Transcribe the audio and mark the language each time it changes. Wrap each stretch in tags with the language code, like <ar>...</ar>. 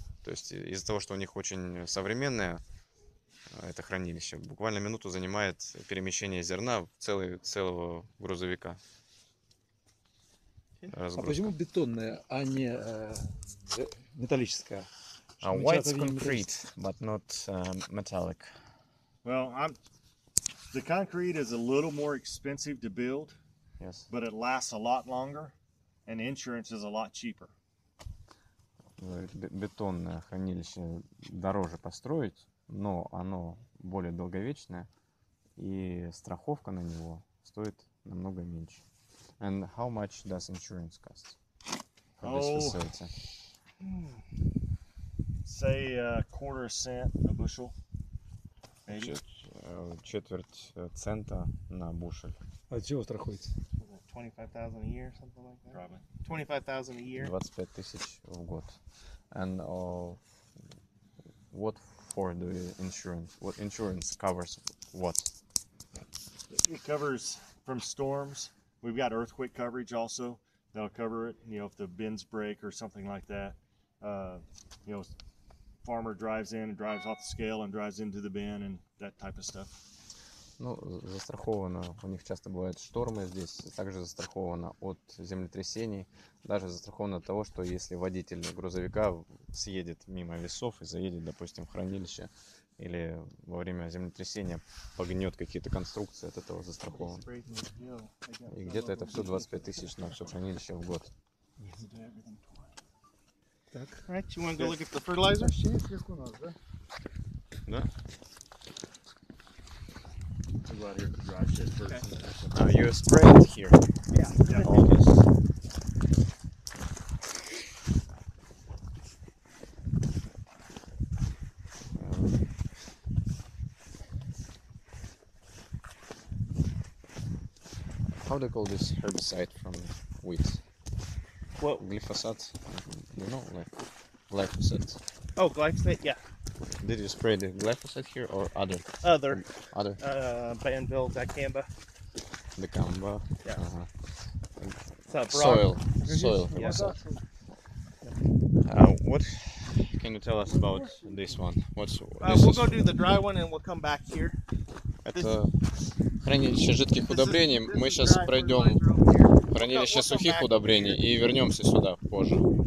<ru>То есть из-за того, что у них очень современное это хранилище, буквально минуту занимает перемещение зерна в целого грузовика. Разгрузка. А почему бетонная, а не металлическая?</ru> <en>Why it's concrete, but not metallic? Well, the concrete is a little more expensive to build, yes. But it lasts a lot longer, and insurance is a lot cheaper.</en> <ru>Бетонное хранилище дороже построить, но оно более долговечное, и страховка на него стоит намного меньше.</ru> <en>And how much does insurance cost for this facility? Say a quarter cent a bushel.</en> <ru>Четверть цента на бушель. От чего страхуете?</ru> <en>25,000 a year, something like that? Probably. 25,000 a year? 25,000 a год. And what for the insurance? What insurance covers what? It covers from storms. We've got earthquake coverage also. That'll cover it, you know, if the bins break or something like that. You know, farmer drives in and drives off the scale and drives into the bin and that type of stuff.</en> <ru>Ну, застраховано, у них часто бывают штормы здесь, также застраховано от землетрясений, даже застраховано от того, что если водитель грузовика съедет мимо весов и заедет, допустим, в хранилище, или во время землетрясения погнет какие-то конструкции, от этого застраховано. И где-то это все 25 тысяч на все хранилище в год.</ru> <en>Так, right, you want to go look at the fertilizer?</en> <ru>Да?</ru> <en>Okay. You spray it here. Yeah. All this. How do you call this herbicide from wheat? What? Glyphosate. You know, like glyphosate. Oh, glyphosate. Yeah. Did you spray the glyphosate here or other? Other. Other. Banville, dicamba. Dicamba. Yeah. Uh-huh. It's soil. Soil. Yeah. What can you tell us about this one? What's We'll go do the dry one and we'll come back here.</en> <ru>Это хранилище жидких удобрений. Мы сейчас пройдем хранилище сухих удобрений и вернемся сюда позже.</ru>